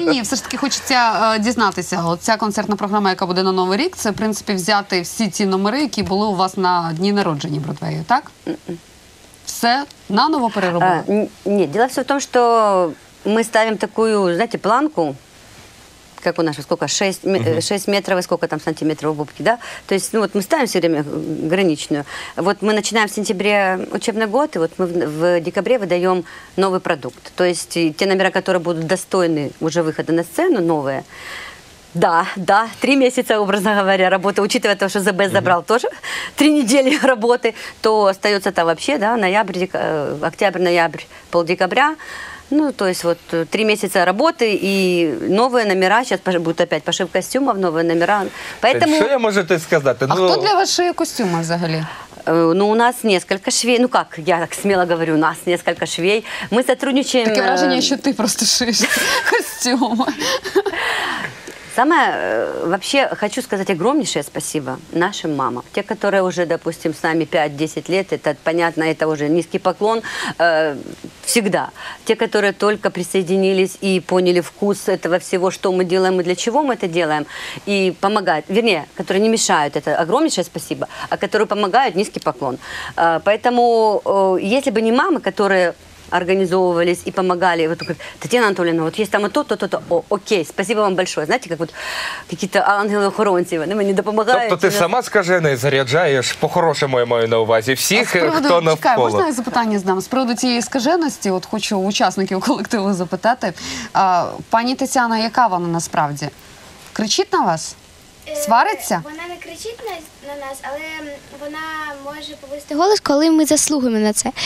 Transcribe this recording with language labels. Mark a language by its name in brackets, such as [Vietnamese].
[Ukrainian] Ні, все ж таки хочеться дізнатися. Оця концертна програма, яка буде на Новий рік, це, в принципі, взяти всі ці номери, які були у вас на дні народження Бродвею, так? Все наново переробили? Ні, діло все в тому, що ми ставимо таку, знаєте, планку, як у нас, скільки, 6 метрів, скільки там сантиметрів у бубки, да? Тобто, ну, от ми ставимо [Russian] все время [Ukrainian] граничну. От ми починаємо [Russian] в сентябрі учебний год, [Ukrainian] і от ми в декабрі видаємо новий продукт. Тобто, ті номера, які будуть достойні вже виходу на сцену, нові, да, 3 місяці, [Russian] образно говоря, [Ukrainian] роботи, [Russian] учитывая [Ukrainian] те, що ЗБ забрав теж 3 тижні роботи, то залишається там взагалі, да, [Russian] ноябрь, октябрь, ноябрь, полдекабря. Ну, то есть вот 3 месяца работы и новые номера. Сейчас будет опять пошив костюмов, новые номера. Поэтому... Что я могу тебе сказать? Ну... А кто для вас шеет костюмы [Ukrainian] взагалі? [Russian] Ну, у нас несколько швей. Ну, как я так смело говорю, у нас несколько швей. Мы сотрудничаем... Такое выражение, что ты просто шеешь костюмы. Самое, вообще, хочу сказать огромнейшее спасибо нашим мамам. Те, которые уже, допустим, с нами 5-10 лет, это понятно, это уже низкий поклон всегда. Те, которые только присоединились и поняли вкус этого всего, что мы делаем и для чего мы это делаем, и помогают, вернее, которые не мешают, это огромнейшее спасибо, а которые помогают, низкий поклон. Поэтому, если бы не мамы, которые... организовывались и помогали. Вот такой, Татьяна Анатольевна, вот есть там и то-то-то-то. Окей, спасибо вам большое. Знаете, как вот какие-то ангелы-охоронцы, они мне допомагают. [Ukrainian] Тобто ти сама, скажи, не заряджаєш, по-хорошому я маю на увазі всіх, хто навколо. Чекай, можна я запитання здам? З приводу цієї скаженості, от хочу учасників колективу запитати. Пані Тетяна, яка вона насправді? Кричить на вас? Свариться? Вона не кричить на нас, але вона може повести голос, коли ми заслугуємо на це.